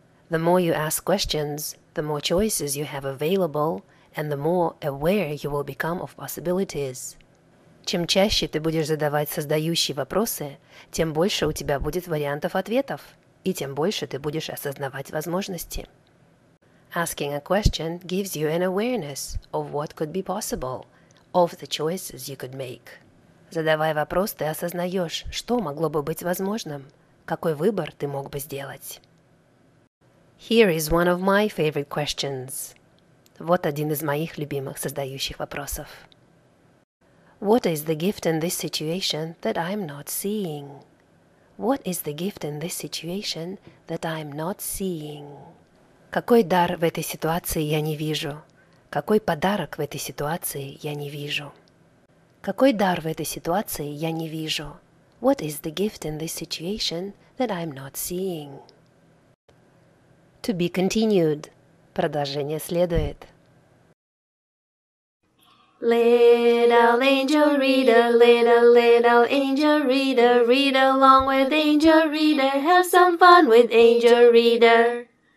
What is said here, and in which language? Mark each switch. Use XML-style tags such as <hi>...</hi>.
<en>The more you ask questions, the more choices you have available, and the more aware you will become of possibilities.</en> <ru>Чем чаще ты будешь задавать создающие вопросы, тем больше у тебя будет вариантов ответов, и тем больше ты будешь осознавать возможности.</ru> <en>Asking a question gives you an awareness of what could be possible, of the choices you could make.</en> <ru>Задавая вопрос, ты осознаешь, что могло бы быть возможным, какой выбор ты мог бы сделать.</ru> <en>Here is one of my favorite questions.</en> <ru>Вот один из моих любимых создающих вопросов.</ru> <en>What is the gift in this situation that I'm not seeing? What is the gift in this situation that I'm not seeing?</en> <ru>Какой дар в этой ситуации я не вижу? Какой подарок в этой ситуации я не вижу? Какой дар в этой ситуации я не вижу?</ru> <en>What is the gift in this situation that I'm not seeing? To be continued.</en> <ru>Продолжение следует.</ru> <en>Little angel reader, little angel reader, read along with angel reader, have some fun with angel reader.</en>